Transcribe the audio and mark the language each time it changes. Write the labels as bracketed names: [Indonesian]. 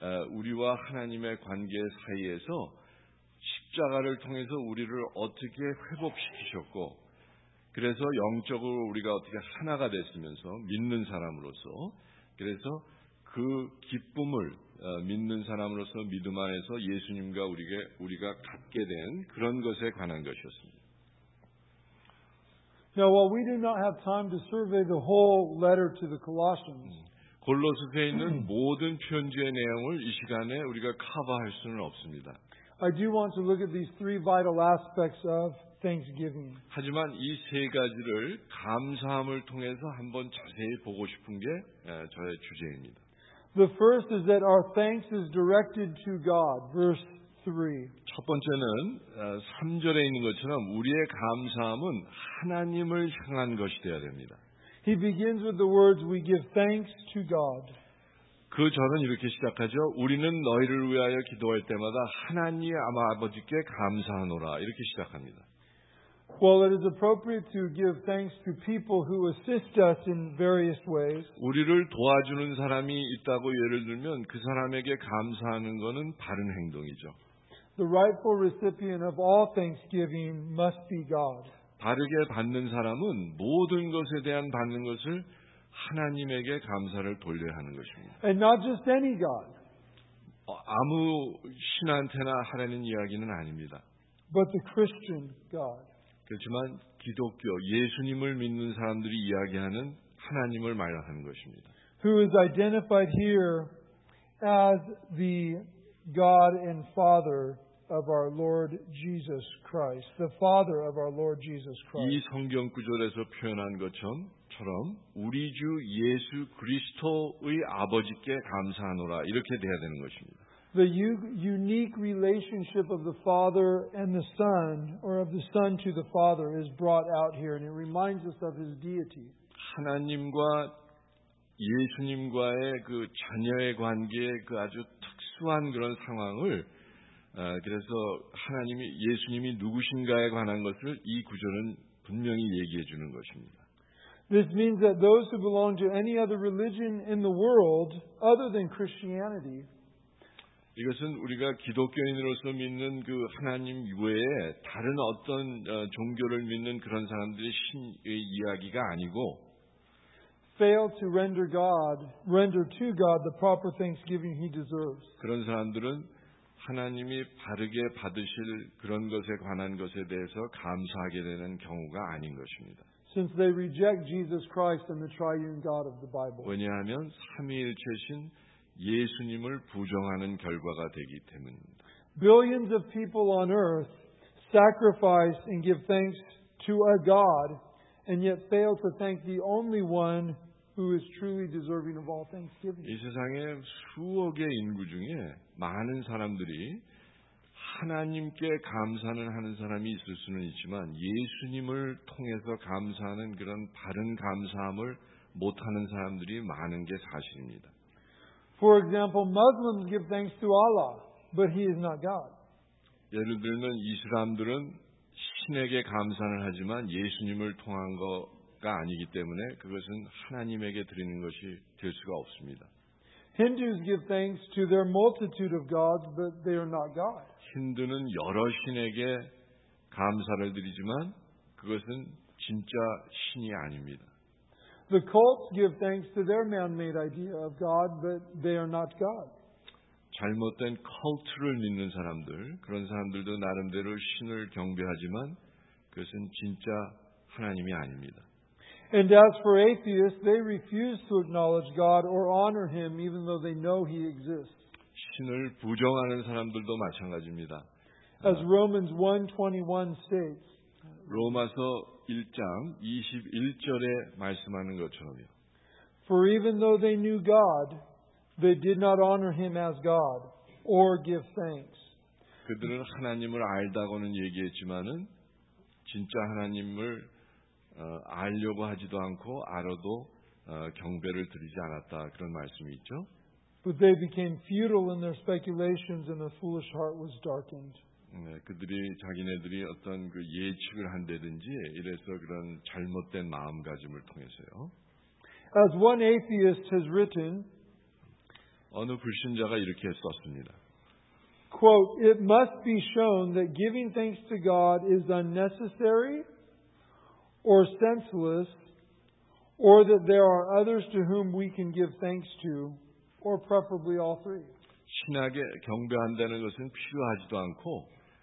[Korean] 우리와 하나님의 관계 사이에서 십자가를 통해서 우리를 어떻게 회복시키셨고 그래서 영적으로 우리가 어떻게 하나가 됐으면서 믿는 사람으로서 그래서 그 기쁨을 믿는 사람으로서 믿음 안에서 예수님과 우리가 갖게 된 그런 것에 관한 것이었습니다. [English] Now while we do not have time to survey the whole letter to the Colossians, [Korean] 골로새에 있는 모든 편지의 내용을 이 시간에 우리가 커버할 수는 없습니다. [English] I do want to look at these three vital aspects of Thanksgiving. [Korean] 하지만 이 세 가지를 감사함을 통해서 한번 자세히 보고 싶은 게 저의 주제입니다. [English] The first is that our thanks is directed to God, verse 3. [Korean] 첫 번째는 3절에 있는 것처럼 우리의 감사함은 하나님을 향한 것이 되어야 됩니다. [English] He begins with the words, "We give thanks to God." [Korean] 그 절은 이렇게 시작하죠. 우리는 너희를 위하여 기도할 때마다 하나님 아버지께 감사하노라. 이렇게 시작합니다. [English] Well, it is appropriate to give thanks to people who assist us in various ways. [Korean] 우리를 도와주는 사람이 있다고 예를 들면 그 사람에게 감사하는 것은 바른 행동이죠. [English] The rightful recipient of all thanksgiving must be God. [Korean] 바르게 받는 사람은 모든 것에 대한 받는 것을 하나님에게 감사를 돌려야 하는 것입니다. [English] And not just any God. [Korean] 아무 신한테나 하라는 이야기는 아닙니다. [English] But the Christian God. [Korean] 그렇지만 기독교, 예수님을 믿는 사람들이 이야기하는 하나님을 말하는 것입니다. [English] Who is identified here as the God and Father of our Lord Jesus Christ, the Father of our Lord Jesus Christ. [Korean] 이 성경 구절에서 표현한 것처럼 우리 주 예수 그리스도의 아버지께 감사하노라 이렇게 돼야 되는 것입니다. [English] The unique relationship of the Father and the Son, or of the Son to the Father, is brought out here, and it reminds us of His deity. [Korean] 하나님과 예수님과의 그 자녀의 관계의 그 아주 특수한 그런 상황을 그래서 하나님이 예수님이 누구신가에 관한 것을 이 구절은 분명히 얘기해 주는 것입니다. [English] This means that those who belong to any other religion in the world other than Christianity. [Korean] 이것은 우리가 기독교인으로서 믿는 그 하나님 외에 다른 어떤 종교를 믿는 그런 사람들의 신의 이야기가 아니고 [English] fail to render to God the proper thanksgiving he deserves. [Korean] 그런 사람들은 하나님이 바르게 받으실 그런 것에 관한 것에 대해서 감사하게 되는 경우가 아닌 것입니다. [English] Since they reject Jesus Christ and the triune God of the Bible. [Korean] 왜냐하면 삼위일체신 예수님을 부정하는 결과가 되기 때문입니다. [English] Billions of people on earth sacrifice and give thanks to a God and yet fail to thank the only one who is truly deserving of all thanksgiving. [Korean] 이 세상에 수억의 인구 중에 많은 사람들이 하나님께 감사는 하는 사람이 있을 수는 있지만 예수님을 통해서 감사하는 그런 바른 감사함을 못하는 사람들이 많은 게 사실입니다. [English] For example, Muslims give thanks to Allah, but He is not God. [Korean] 예를 들면 이슬람들은 신에게 감사를 하지만 예수님을 통한 것이 아니기 때문에 그것은 하나님에게 드리는 것이 될 수가 없습니다. [English] Hindus give thanks to their multitude of gods, but they are not God. [Korean] 힌두는 여러 신에게 감사를 드리지만 그것은 진짜 신이 아닙니다. [English] The cults give thanks to their man-made idea of God, but they are not God. [Korean] 잘못된 cult를 믿는 사람들, 그런 사람들도 나름대로 신을 경배하지만 그것은 진짜 하나님이 아닙니다. [English] And as for atheists, they refuse to acknowledge God or honor Him, even though they know He exists. [Korean] 신을 부정하는 사람들도 마찬가지입니다. [English] As Romans 1:21 states. [Korean] 로마서 1장 21절에 말씀하는 것처럼요. [English] For even though they knew God, they did not honor Him as God or give thanks. [Korean] 그들은 하나님을 알다고는 얘기했지만은 진짜 하나님을 알려고 하지도 않고 알아도 경배를 드리지 않았다 그런 말씀이 있죠. [English] But they became futile in their speculations, and their foolish heart was darkened. [Korean] 네, 그들이 자기네들이 어떤 그 예측을 한다든지 이래서 그런 잘못된 마음가짐을 통해서요. [English] As one atheist has written, [Korean] 어느 불신자가 이렇게 썼습니다. [English] Quote, "It must be shown that giving thanks to God is unnecessary or senseless, or that there are others to whom we can give thanks to, or preferably all three." [Korean] 신에게 경배한다는 것은 필요하지도 않고.